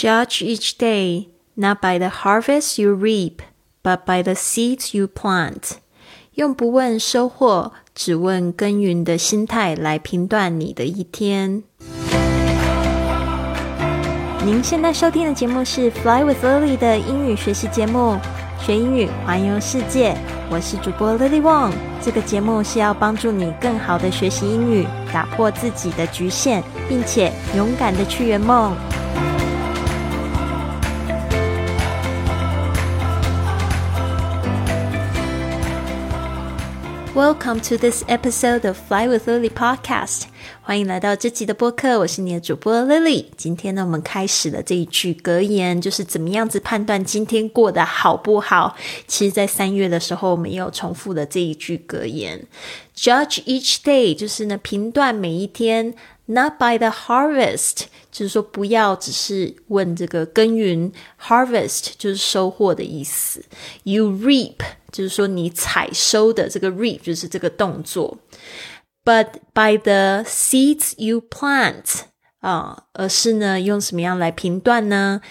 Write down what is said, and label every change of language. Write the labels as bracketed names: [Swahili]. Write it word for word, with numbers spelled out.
[English] Judge each day, not by the harvest you reap, but by the seeds you plant. [Chinese] 用不问收获，只问耕耘的心态来评断你的一天。您现在收听的节目是 Fly with Lily 的英语学习节目，学英语环游世界。我是主播 Lily Wong。这个节目是要帮助你更好的学习英语，打破自己的局限，并且勇敢的去圆梦。 [English] Welcome to this episode of Fly with Lily podcast. [Chinese] 欢迎来到这集的播客，我是你的主播 Lily。今天呢，我们开始了这一句格言，就是怎么样子判断今天过得好不好。其实在三月的时候，我们也有重复了这一句格言。 [English] Judge each day [Chinese] 就是呢，评断每一天 [English] Not by the harvest [Chinese] 就是说不要只是问这个耕耘 Harvest 就是收获的意思 [English] You reap [Chinese] 就是说你采收的这个 reap 就是这个动作 [English] But by the seeds you plant [Chinese] 啊，而是呢用什么样来评断呢？